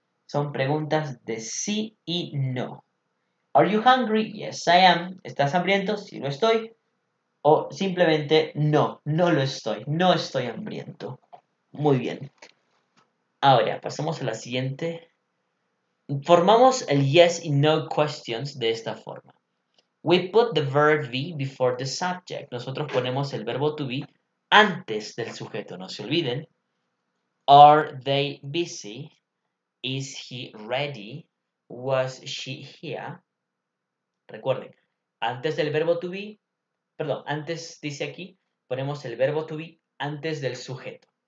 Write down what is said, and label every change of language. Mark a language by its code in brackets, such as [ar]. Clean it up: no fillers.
[es] Son preguntas de sí y no. [en] Are you hungry? Yes, I am. [es] ¿Estás hambriento? Sí, lo estoy. O simplemente no, no lo estoy. No estoy hambriento. Muy bien. Ahora, pasamos a la siguiente. Formamos el yes y no questions de esta forma. [en] We put the verb be before the subject. [es] Nosotros ponemos el verbo to be antes del sujeto. No se olviden. [en] Are they busy? Is he ready? Was she here? [es] Recuerden, antes del verbo to be, perdón, antes dice aquí, ponemos el verbo to be antes del sujeto.